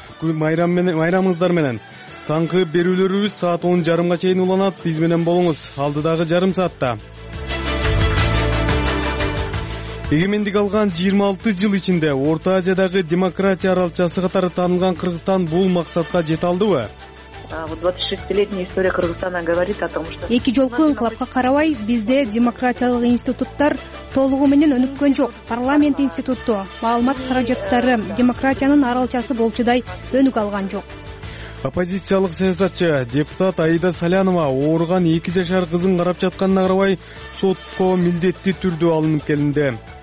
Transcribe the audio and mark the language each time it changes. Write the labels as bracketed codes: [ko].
[ky] Майрамыңыздар менен. Таңкы берүүлөрүбүз саат 10:30 чейин уланат. Биз менен болуңуз алдыдагы жарым саатта. Эгемендик алган 26 жыл ичинде Орто Азиядагы демократия аралчасы катары таанылган Кыргызстан бул максатка жете алдыбы? [ru] Двадцатишестилетняя история Кыргызстана говорит о том, что... [ky] Эки жолку инкылапка карабай, бизде демократиялык институттар толугу менен өнүккөн жок. Парламент институту, маалымат каражаттары демократиянын аралчасы болчудай өнүк алган жок. Оппозициялык саясатчы депутат Аида Салянова ооруган 2 жашар кызын карап жатканына карабай сотко милдеттүү түрдө алынып келинди.